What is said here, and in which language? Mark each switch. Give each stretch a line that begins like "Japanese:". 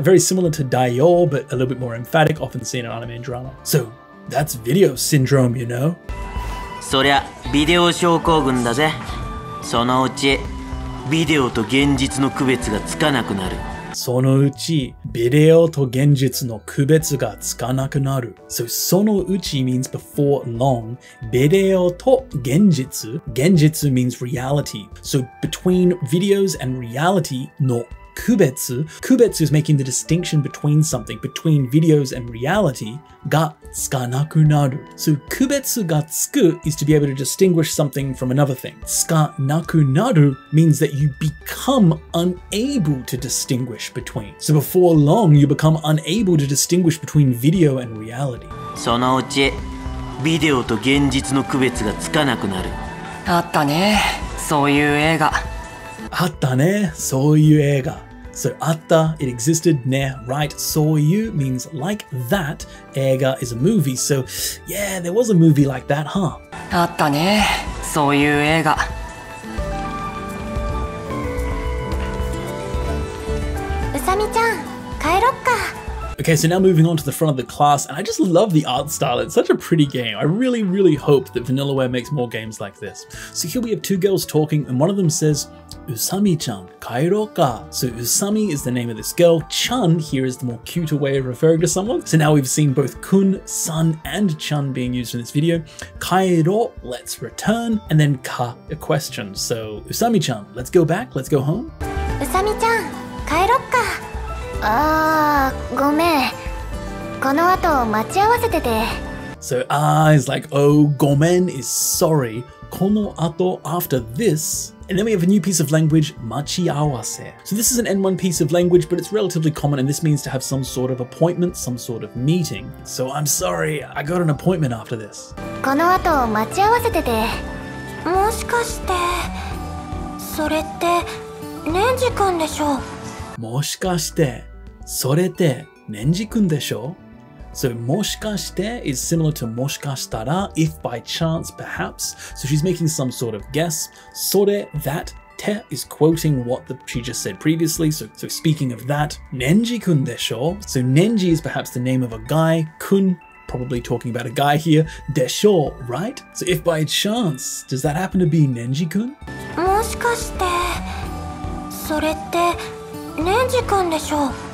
English: Very similar to だよ but a little bit more emphatic, often seen in anime and drama. So that's video syndrome, you know?
Japanese: そりゃビデオ症候群だぜ。そのうちビデオと現実の区別がつかなくなる。そのうちビデオと現実の区別がつかなくなる。
English: So,
Japanese: そのうち
English: means before long.
Japanese: ビデオと現実。現実
English: means reality. So between videos and reality
Japanese: の区別。区別
English: is making the distinction between something. Between videos and reality
Japanese: がつかなくなる。
English: So
Japanese: 区別がつく
English: is to be able to distinguish something from another thing.
Japanese: つかなくなる
English: means that you become unable to distinguish between. So before long, you become unable to distinguish between video and reality.
Japanese: そのうちビデオと現実の区別がつかなくなる。あったね、そういう映画。あったね、そういう映画。
English: So,
Japanese: あった,
English: it existed, ね, right,
Japanese: そういう
English: means like that, 映画 is a movie, so, yeah, there was a movie like that, huh?
Japanese: あったね、そういう映画。うさみちゃん、帰ろっか。
English: Okay, so now moving on to the front of the class, and I just love the art style. It's such a pretty game. I really, really hope that Vanillaware makes more games like this. So here we have two girls talking, and one of them says,
Japanese: Usami-chan, kairoka.
English: So Usami is the name of this girl. Chan here is the more cuter way of referring to someone. So now we've seen both kun, son, and chan being used in this video. Kairo, let's return. And then ka, a question. So Usami-chan, let's go back, let's go home.
Japanese: Usami-chan, kairoka. Ah, ごめん。この後待ち合わせてて。
English: So, is like, oh,
Japanese: ごめん
English: is sorry.
Japanese: この後
English: after this. And then we have a new piece of language,
Japanese: 待ち合わせ.
English: So this is an N1 piece of language, but it's relatively common, and this means to have some sort of appointment, some sort of meeting. So I'm sorry, I got an appointment after this.
Japanese: この後待ち合わせてて。もしかして、それって、ネンジ君でしょ? もしかして、それって、ねんじくんでしょ?
English: So,
Japanese: もしかして
English: is similar to
Japanese: もしかしたら,
English: if by chance, perhaps. So she's making some sort of guess. それ, that, て is quoting what she just said previously. So speaking of that,
Japanese: ねんじくんでしょ?
English: So ねんじ is perhaps the name of a guy. くん, probably talking about a guy here.
Japanese: でしょ,
English: right? So if by chance, does that happen to be ねんじくん?
Japanese: もしかして、それって、ねんじくんでしょ?